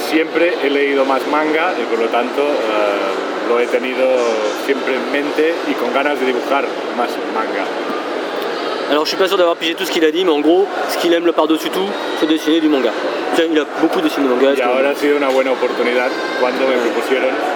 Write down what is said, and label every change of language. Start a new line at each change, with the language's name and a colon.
Spanish: Siempre he leído más manga et por lo tanto lo he tenido siempre en mente y con ganas de dibujar más manga.
French: Alors je suis pas sûr d'avoir pigé tout ce qu'il a dit, mais en gros, ce qu'il aime le par-dessus tout, c'est dessiner du manga. Enfin, il a beaucoup dessiné du manga.
Spanish: Et ahora ha sido una buena oportunidad cuando me propusieron.